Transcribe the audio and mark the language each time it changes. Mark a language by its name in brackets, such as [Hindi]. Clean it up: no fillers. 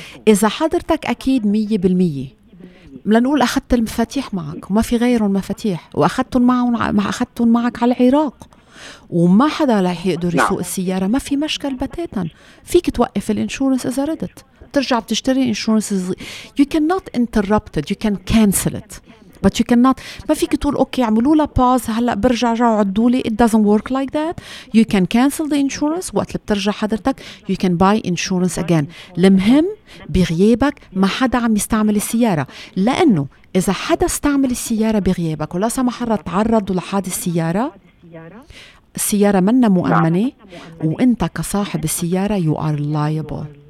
[Arabic] اذا حضرتك اكيد 100% لنقول اخذت المفاتيح معك وما في غير المفاتيح، واخذتهم معك على العراق وما حدا رح يقدر يسوق السيارة، ما في مشكل بتاتا، فيك توقف الانشورنس اذا ردت ترجع بتشتري انشورنس. [English] You cannot interrupt it, you can cancel it. But you cannot. [Arabic] ما فيك تقول أوكي عملوا لها pause هلأ برجع عدولي. [English] It doesn't work like that. You can cancel the insurance. [Arabic] وقت اللي بترجع حضرتك [English] you can buy insurance again. [Arabic] المهم بغيابك ما حدا عم يستعمل السيارة، لأنه إذا حدا استعمل السيارة بغيابك ولا سمح الله تعرضوا لحادث السيارة، السيارة منا مؤمنة، وإنت كصاحب السيارة [English] you are liable.